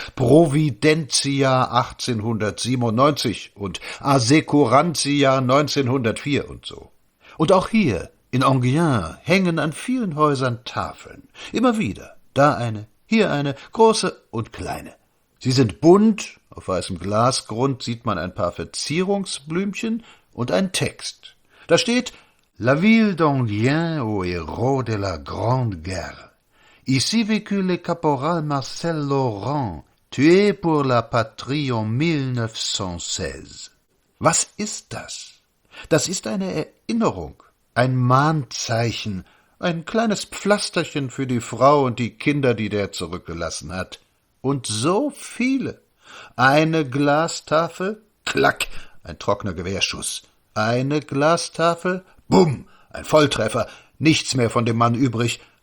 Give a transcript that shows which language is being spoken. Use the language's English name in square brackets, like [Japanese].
[German] Providentia 1897 und Assecurantia 1904 und so. Und auch hier, in Enghien, hängen an vielen Häusern Tafeln. Immer wieder, da eine, hier eine, große und kleine. Sie sind bunt, auf weißem Glasgrund sieht man ein paar Verzierungsblümchen, und ein Text. Da steht [French] »La ville d'Enghien au héros de la Grande Guerre. Ici vécut le caporal Marcel Laurent, tué pour la patrie en 1916. » [German] Was ist das? Das ist eine Erinnerung, ein Mahnzeichen, ein kleines Pflasterchen für die Frau und die Kinder, die der zurückgelassen hat. Und so viele. Eine Glastafel, klack, ein trockener Gewehrschuss. Eine Glastafel, bumm, ein Volltreffer, nichts mehr von dem Mann übrig.